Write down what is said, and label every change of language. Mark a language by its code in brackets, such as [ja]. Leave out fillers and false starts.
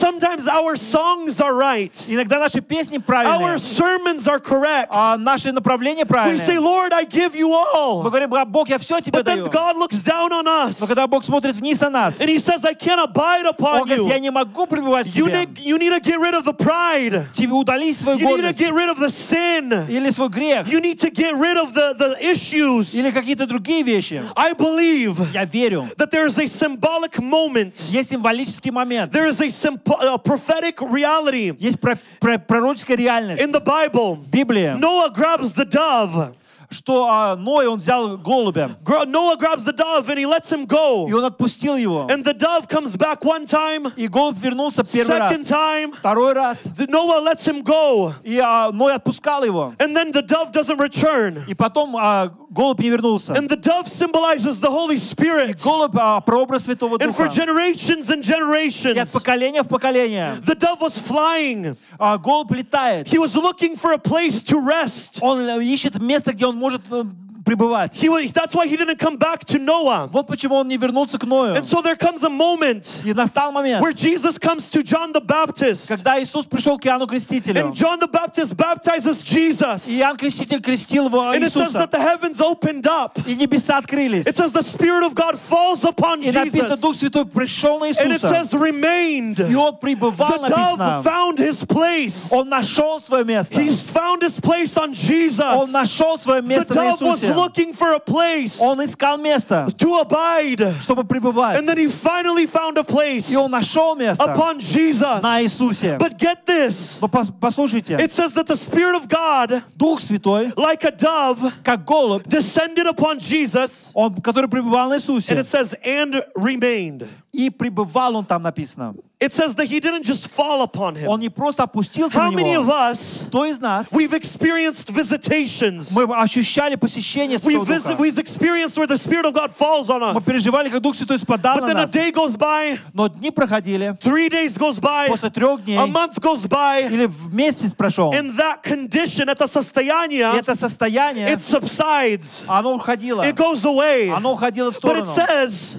[en] Sometimes our songs are right. [ru] Иногда наши песни правильные. [en] Our sermons are correct. [ru] А наши направления правильные. [en] We say, Lord, I give you all. [ru] Мы говорим, Бог, я все тебе [en] But [ru] даю. [en] But then God looks down on us. [ru] Но когда Бог смотрит вниз на нас. [en] And he says, I can't abide upon you. [ru] Он говорит, я не могу пребывать. [en] You need to get rid of the pride. You need to get rid of the sin. You need to get rid of the issues. [ru] Или какие-то другие вещи. [en] I believe. [ru] Я верю. [en] That there is a symbolic moment. [ru] Есть символический момент. [en] There is a prophetic reality. [ru] Есть пророческая реальность. [en] In the Bible. [ru] Библия. [en] Noah grabs the dove. [ru] Что Ной он взял голубя. [en] Noah grabs the dove and he lets him go. [ru] И он отпустил его. [en] And the dove comes back one time. [ru] И голубь вернулся первый раз. [en] Second time. [ru] Второй раз. [en] Noah lets him go. [ru] И Ной отпускал его. [en] And then the dove doesn't return. [ru] И потом голубь не вернулся. [en] And the dove symbolizes the Holy Spirit. [ru] И голубь прообраз Святого Духа. [en] And for generations and generations. [ru] И от поколения в поколение. [en] The dove was flying. [ru] Голубь летает. [en] He was looking for a place to rest. [ru] Он ищет место, где он может пребывать. [en] That's why he didn't come back to Noah. [ru] Вот почему он не вернулся к Ною. [en] And so there comes a moment. [ru] И настал момент. [en] Where Jesus comes to John the Baptist. [ru] Когда Иисус пришел к Иоанну Крестителю. [en] And John the Baptist baptizes Jesus. [ru] И Иоанн Креститель крестил его Иисуса. [en] And it says that the heavens opened up. [ru] И небеса открылись. [en] It says the Spirit of God falls upon Jesus. [ru] И написано, Дух Святой пришел на Иисуса. [en] And it says remained. [ru] И он пребывал, написано. [en] The dove found his place. [ru] Он нашел свое место. [en] He found his place on Jesus. [ru] Он нашел свое место на Иисусе. [en] Looking for a place. [ru] Он искал место. [en] To abide. [ru] Чтобы пребывать. [en] And then he finally found a place. [ru] И он нашел место. [en] Upon Jesus. [ru] На Иисусе. [en] But get this. [ru] Но послушайте. [en] It says that the Spirit of God. [ru] Дух Святой. [en] Like a dove. [ru] Как голубь. [en] Descended upon Jesus. [ru] Он, который пребывал на Иисусе. [en] And it says and remained. [ru] И пребывал он там, написано. [en] It says that he didn't just fall upon him. [ru] Он не просто опустился на него. [en] How many of us? [ru] Кто из нас? [en] We've experienced visitations. [ru] Мы ощущали посещение Святого Духа. [en] We've experienced where the Spirit of God falls on us. [ru] Мы переживали, как Дух Святой спадал на нас. [en] But then a day goes by. [ru] Но дни проходили. [en] 3 days goes by. [ru] После 3 дней. [en] A month goes by. [ru] Или месяц прошел. [en] In that condition, [ru] это состояние. Это состояние. [en] It subsides. [ru] Оно уходило. [en] It goes away. [ru] Оно уходило в сторону. [en] But it says.